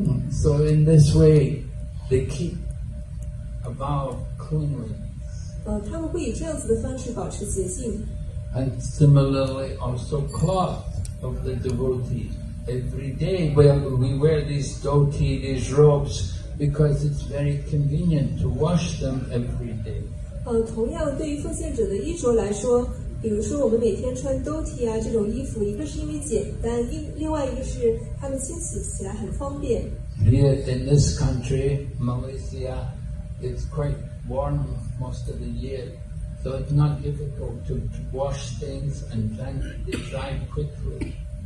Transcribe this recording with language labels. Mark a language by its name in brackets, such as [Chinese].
[English] So in this way, they keep a vow of cleanliness. And similarly, also cloth of the devotee. Every day, we wear these dhoti, these robes, because it's very convenient to wash them every day. [Chinese] 同样对于奉献者的衣着来说，比如说我们每天穿兜提啊这种衣服，一个是因为简单，另外一个是他们清洗起来很方便。 [English] Here in this country, Malaysia, it's quite warm most of the year, so it's not difficult to wash things and then they dry quickly.